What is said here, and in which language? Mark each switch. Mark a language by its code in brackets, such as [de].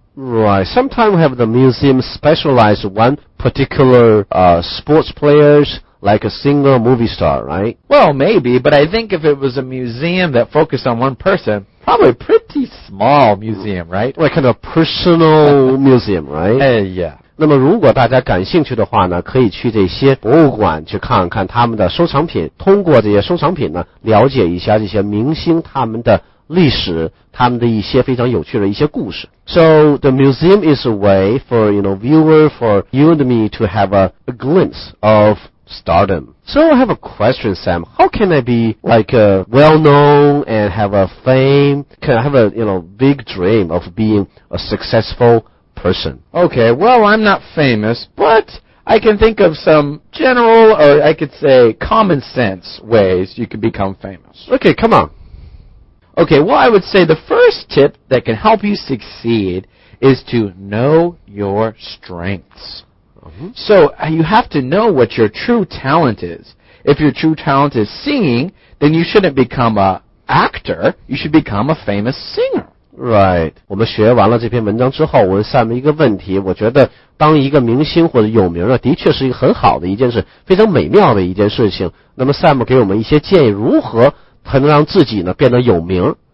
[en] Right. Sometimes we have the museum specialize one particular, sports players, like a single movie star, right? Well, maybe, but I think if it was a museum that focused on one person,Probably a pretty small museum, right? Like kind of personal museum, right? Yeah. [zh] 那么如果大家感兴趣的话呢，可以去这些博物馆去看看他们的收藏品，通过这些收藏品呢，了解一下这些明星他们的历史，他们的一些非常有趣的一些故事。 [en] So the museum is a way for, you know, viewer, for you and me to have a glimpse of stardom. So I have a question, Sam. How can I be like a well-known and have a fame? Can I have a, you know, big dream of being a successful person? Okay, well, I'm not famous, but I can think of some general, or I could say common sense ways you can become famous. Okay, come on. Okay, well, I would say the first tip that can help you succeed is to know your strengths. So you have to know what your true talent is. If your true talent is singing, then you shouldn't become an actor. You should become a famous singer. Right. [zh] 我们学完了这篇文章之后，我问下面一个问题。我觉得当一个明星或者有名的，的确是一个很好的一件事，非常美妙的一件事情。那么 Sam 给我们一些建议，如何才能让自己呢变得有名？